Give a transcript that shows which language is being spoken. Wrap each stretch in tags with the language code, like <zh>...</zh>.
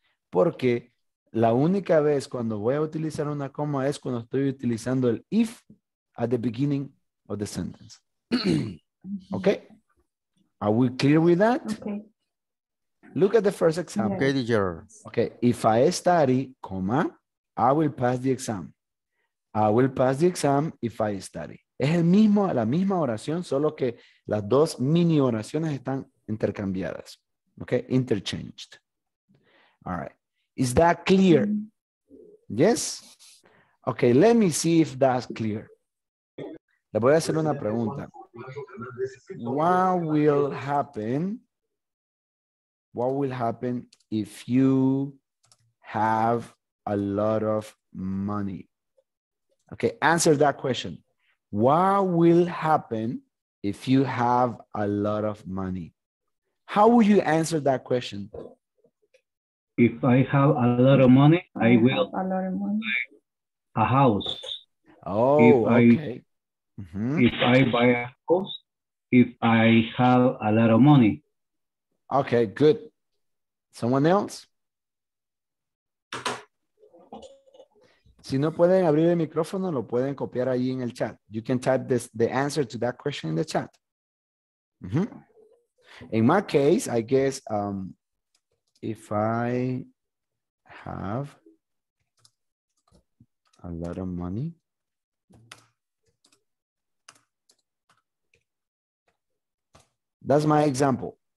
<es>Porque la única vez cuando voy a utilizar una coma es cuando estoy utilizando el if</es> <en>at the beginning of the sentence.</en> <es>Okay?</es> <en>Are we clear with that? Okay. Look at the first example. Okay, teacher. Okay, if I study, comma, I will pass the exam. I will pass the exam if I study.</en> <es>Es el mismo, la misma oración, solo que las dos mini oraciones están intercambiadas.</es> <en>Okay? Interchanged. All right. Is that clear? Yes? Okay, let me see if that's clear.</en> <es>Le voy a hacer una pregunta.</es> <en>What will happen? What will happen if you have a lot of money? Okay, answer that question. What will happen if you have a lot of money? How will you answer that question? If I have a lot of money, I will a lot of money. Buy a house. Oh, if okay. I, mm-hmm. If I buy a house, if I have a lot of money. Okay, good. Someone else?</en> <es>Si no pueden abrir el micrófono, lo pueden copiar ahí en el chat.</es> <en>You can type this, the answer to that question in the chat. Mm-hmm. In my case, I guess... if I have a lot of money, that's my example.</en>